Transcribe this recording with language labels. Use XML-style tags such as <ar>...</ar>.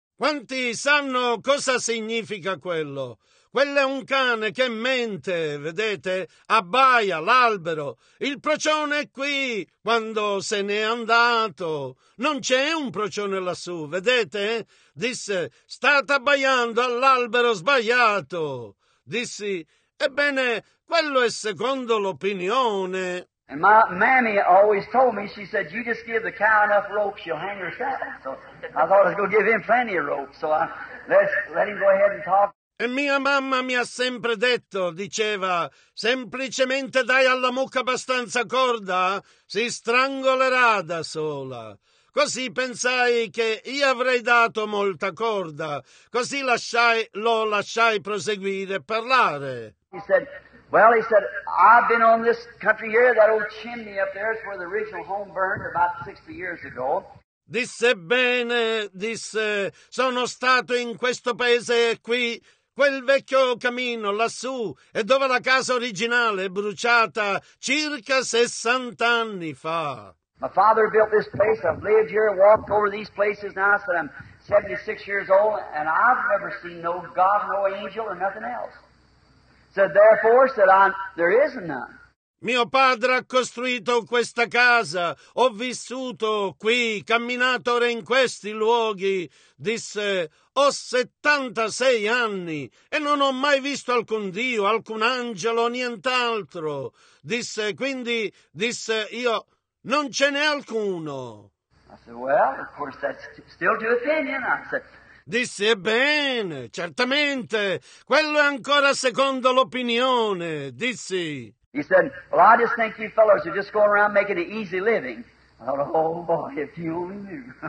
<it>Quanti sanno cosa significa quello? Quello è un cane che mente, vedete, abbaia l'albero. Il procione è qui, quando se n'è andato. Non c'è un procione lassù, vedete? Disse, state abbaiando all'albero sbagliato. Dissi, ebbene, quello è secondo l'opinione.</it> <en>And my mammy always told me, she said, you just give the cow enough rope, she'll hang herself. So I thought I was going to give him plenty of rope, so let him go ahead and talk.</en> <it>E mia mamma mi ha sempre detto, diceva, semplicemente dai alla mucca abbastanza corda, si strangolerà da sola. Così pensai che io avrei dato molta corda, così lo lasciai proseguire parlare.</it> <en>He said, I've been on this country here, that old chimney up there is where the original home burned about 60 years ago.</en> <it>Disse bene, disse, sono stato in questo paese qui. Quel vecchio camino lassù è dove la casa originale è bruciata circa 60 anni fa.</it> <en>My father built this place. I've lived here, walked over these places now, so I'm 76 years old, and I've never seen no God, no angel, or nothing else. So therefore, said I, there is none.</en> <it>Mio padre ha costruito questa casa, ho vissuto qui, camminato ora in questi luoghi, disse, ho 76 anni e non ho mai visto alcun Dio, alcun angelo, nient'altro. Disse, quindi, disse, io, non ce n'è alcuno.</it> <en>I said, well, of course, that's still to opinion. I said,</en> <it>disse, ebbene, certamente, quello è ancora secondo l'opinione, dissi.</it> <en>He said, well, I just think you fellows are just going around making an easy living. I thought, oh boy, if you only knew.</en>